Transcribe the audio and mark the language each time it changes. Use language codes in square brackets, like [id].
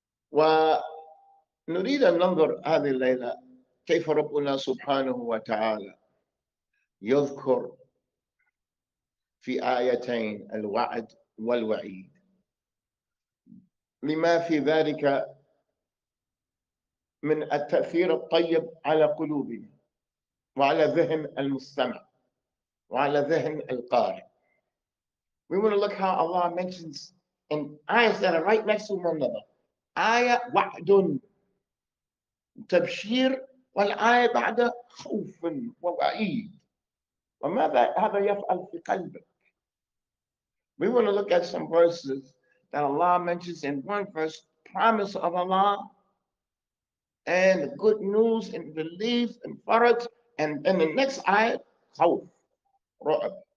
[ar] ونريد أن ننظر هذه الليلة كيف ربنا سبحانه وتعالى يذكر في آيتين الوعد والوعيد لما في ذلك من التأثير الطيب على قلوبنا وعلى ذهن المستمع وعلى ذهن القارئ. [en] We want to look how Allah mentions in ayahs that are right next to one another. [ar] Ayah wa'dun. تبشير والآية بعد خوف ووعيد. وماذا هذا يفعل في قلبك؟ [en] We want to look at some verses that Allah mentions in one verse, promise of Allah, and good news and relief and farat, and then the next ayah, [ar] خوف, رعب.